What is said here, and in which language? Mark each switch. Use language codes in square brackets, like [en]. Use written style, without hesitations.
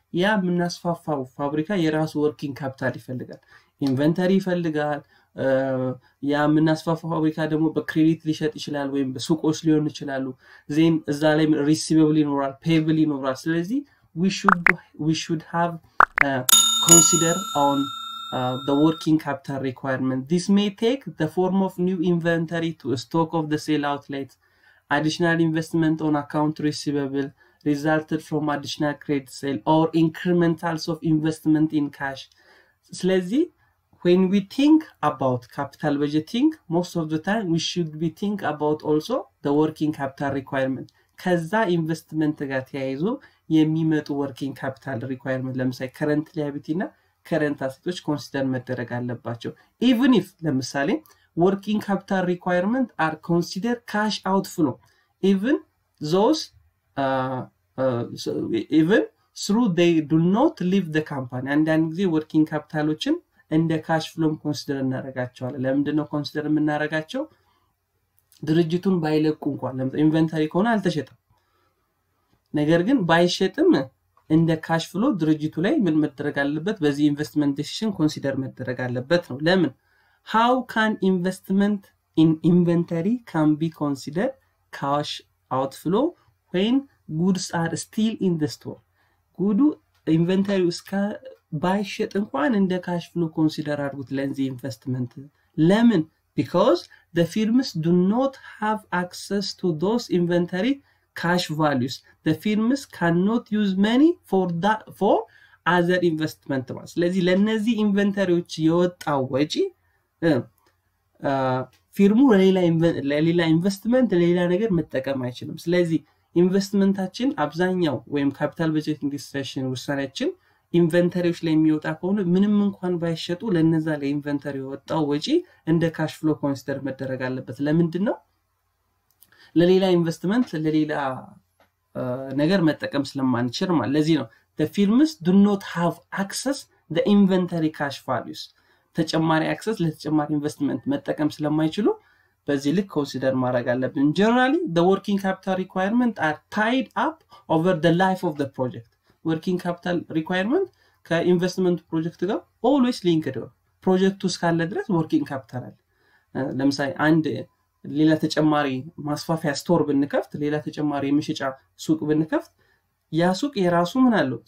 [am] ያ ምናስፋፋው ፋብሪካ የራሱ ወርኪንግ ካፒታል ይፈልጋል፣ ኢንቨንተሪ ይፈልጋል። ያ ምናስፋፋው ፋብሪካ ደግሞ በክሬዲት ሊሸጥ ይችላል ወይም በሱቆች ሊሆን ይችላል። ዘን እዛ ላይ ሪሲቨብል ይኖራል፣ ፔይብል ይኖራል። ስለዚህ [en] we should have consider on the working capital requirement. This may take the form of new inventory to stock of the sale outlet, additional investment on account receivable resulted from additional credit sale or incrementals of investment in cash. Slezi, when we think about capital budgeting, most of the time we should be think about also the working capital requirement. [am] ከዛ [en] investment [am] ጋር ተያይዞ የሚመጡ [en] working capital requirement ለምሳሌ current liability እና current assets consider [am] መደረግ አለባቸው። [en] even if ለምሳሌ working capital requirement are considered cash outflow even though they do not leave the company. [am] አንዳንድ ጊዜ working capitalዎችን እንደ cash flow consider እናረጋቸዋለን። ለምንድነው consider የምናረጋቸው? ድርጅቱን ባይለቁ እንኳን ለምሳሌ inventory ከሆነ አልተሸጠም፣ ነገር ግን ባይሸጥም እንደ ካሽ ፍሎ ድርጅቱ ላይ ምን መደረግ አለበት? በዚህ ኢንቨስትመንት ዲሲዥን ኮንሲደር መደረግ አለበት ነው። ለምን? [en] how can investment in inventory can be considered cash outflow when goods are still in the store? [am] ጉዱ ኢንቨንተሪ እስከ ባይሸጥ እንኳን እንደ ካሽ ፍሎ ኮንሲደር አድርጉት ለዚህ ኢንቨስትመንት። ለምን? [en] because the firms do not have access to those inventory cash values. The firms cannot use money for that for other investment ones. [am] ስለዚህ ለነዚ ኢንቨንተሪዎች የወጣው ወጪ ፊርሙ ለሌላ ኢንቨስትመንት ለሌላ ነገር መጠቀም አይችልም። ስለዚህ ኢንቨስትመንታችን አብዛኛው ወይም ካፒታል በጀቲንግ ዲስክሬሽን ውሳኔያችን ኢንቨንተሪዎች ላይ የሚወጣ ከሆነ ምንም እንኳን ባይሸጡ ለነዛ ለኢንቨንተሪ የወጣው ወጪ እንደ ካሽ ፍሎ ኮንሲደር መደረግ አለበት። ለምንድን ነው? ለሌላ ኢንቨስትመንት ለሌላ ነገር መጠቀም ስለማንችል ማለት ለዚህ ነው። [en] The firms do not have access the inventory cash values. [am] ተጨማሪ አክሰስ ለተጨማሪ ኢንቨስትመንት መጠቀም ስለማይችሉ በዚህ ልክ ኮንሲደር ማድረግ አለብን። ጀነራሊ [en] the working capital requirement are tied up over the life of the project. [am] Working capital requirement ከኢንቨስትመንት ፕሮጀክት ጋር [en] always linked [am] ነው። ፕሮጀክቱ እስካለ ድረስ working capital አለ። ለምሳሌ አንድ ሌላ ተጨማሪ ማስፋፊያ ስቶር ብንከፍት፣ ሌላ ተጨማሪ የመሸጫ ሱቅ ብንከፍት ያ ሱቅ የራሱ ምን አለው?